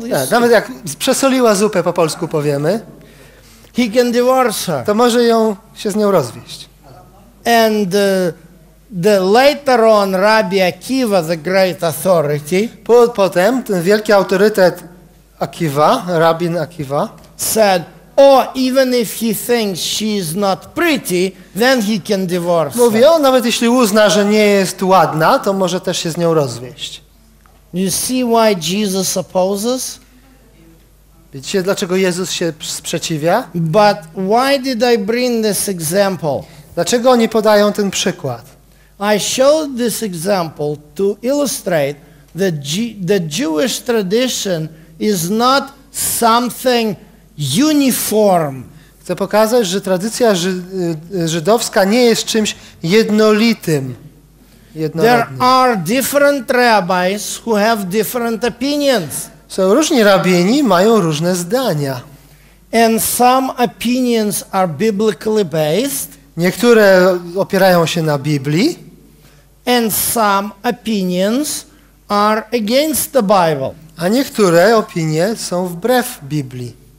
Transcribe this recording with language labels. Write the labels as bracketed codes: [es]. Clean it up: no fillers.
[pl] Nawet jak przesoliła zupę, po polsku powiemy. [en] He can divorce her. [pl] To może ją się z nią rozwieść. [en] And the later on Rabbi Akiva, the great authority. [pl] Potem ten wielki autorytet Akiva, rabin Akiva, [en] said, or even if he thinks she is not pretty, then he can divorce. [pl] Mówi, o, nawet jeśli uzna, że nie jest ładna, to może też się z nią rozwieść. [en] You see why Jesus opposes? [pl] Widzicie, dlaczego Jezus się sprzeciwia? [en] But why did I bring this example? [pl] Dlaczego oni podają ten przykład? [en] I showed this example to illustrate that the Jewish tradition is not something uniform. [pl] Chcę pokazać, że tradycja żydowska nie jest czymś jednolitym. [en] There are different rabbis who have different opinions. [pl] Są różni rabini, mają różne zdania. [en] And some opinions are biblically based. [pl] Niektóre opierają się na Biblii. [en] And some opinions are against the Bible. [pl] A niektóre opinie są wbrew Biblii.